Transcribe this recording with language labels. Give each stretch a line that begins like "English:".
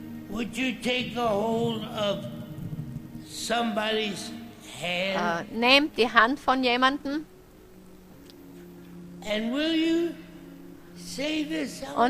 English: Would you take a hold of somebody's hand?
German: Nehmt die Hand von jemandem.
English: And will you say this out loud?